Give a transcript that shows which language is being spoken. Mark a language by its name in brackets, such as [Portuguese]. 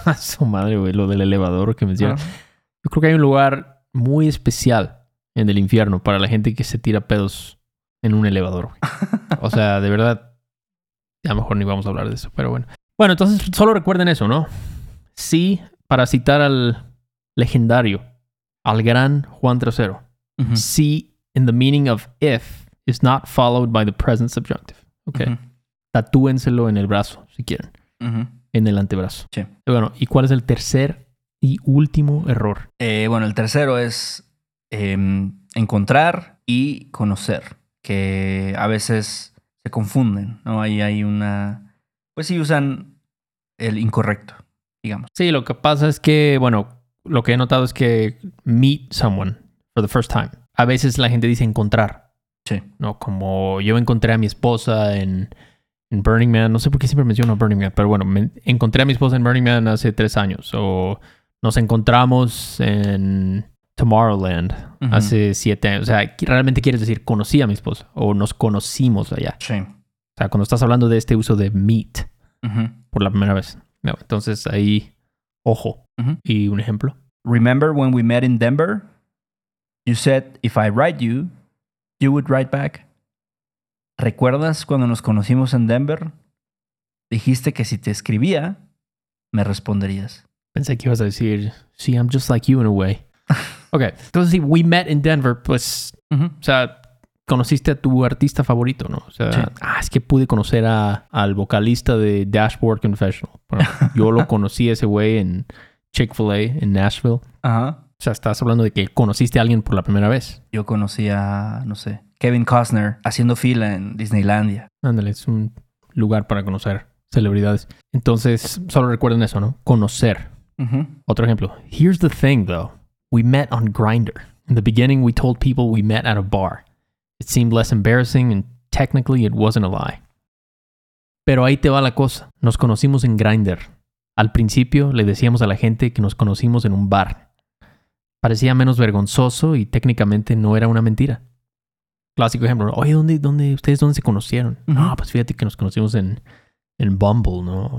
[Spanish] Su madre, güey, lo del elevador que mencionas. Yo creo que hay un lugar muy especial en el infierno para la gente que se tira pedos en un elevador, güey. O sea, de verdad, a lo mejor ni vamos a hablar de eso, pero bueno. Bueno, entonces solo recuerden eso, ¿no? Sí, para citar al legendario, al gran Juan Trasero. [English] Sí, in the meaning of if, is not followed by the present subjunctive. [Spanish] Ok. Tatúenselo en el brazo, si quieren. En el antebrazo. Sí. Bueno, ¿y cuál es el tercer y último error? Bueno, el tercero es encontrar y conocer. Que a veces se confunden, ¿no? Ahí hay una... Pues sí, usan el incorrecto, digamos. Sí, lo que pasa es que, bueno, lo que he notado es que [English] meet someone for the first time. [Spanish] A veces la gente dice encontrar. Sí. No, como yo encontré a mi esposa en Burning Man. No sé por qué siempre menciono Burning Man, pero bueno, encontré a mi esposa en Burning Man hace 3 años. O nos encontramos en Tomorrowland hace 7 años. O sea, realmente quieres decir conocí a mi esposa o nos conocimos allá. Sí. O sea, cuando estás hablando de este uso de meet por la primera vez. No, entonces ahí, ojo. Y un ejemplo. [English] Remember when we met in Denver? You said if I write you, you would write back. [Spanish] ¿Recuerdas cuando nos conocimos en Denver? Dijiste que si te escribía, me responderías. Pensé que ibas a decir, sí, [English] I'm just like you in a way. [Spanish] Ok, entonces si [English] we met in Denver, [Spanish] pues, o sea, conociste a tu artista favorito, ¿no? O sea, es que pude conocer al vocalista de Dashboard Confessional. Bueno, yo lo conocí a ese güey en Chick-fil-A, en Nashville. O sea, estás hablando de que conociste a alguien por la primera vez. Yo conocí a, no sé, Kevin Costner haciendo fila en Disneylandia. Ándale, es un lugar para conocer celebridades. Entonces, solo recuerden eso, ¿no? Conocer. Otro ejemplo. [English] Here's the thing, though. We met on Grindr. In the beginning, we told people we met at a bar. It seemed less embarrassing and technically it wasn't a lie. [Spanish] Pero ahí te va la cosa. Nos conocimos en Grindr. Al principio, le decíamos a la gente que nos conocimos en un bar. Parecía menos vergonzoso y técnicamente no era una mentira. Clásico ejemplo. Oye, ¿dónde se conocieron? No, pues fíjate que nos conocimos en en Bumble, ¿no?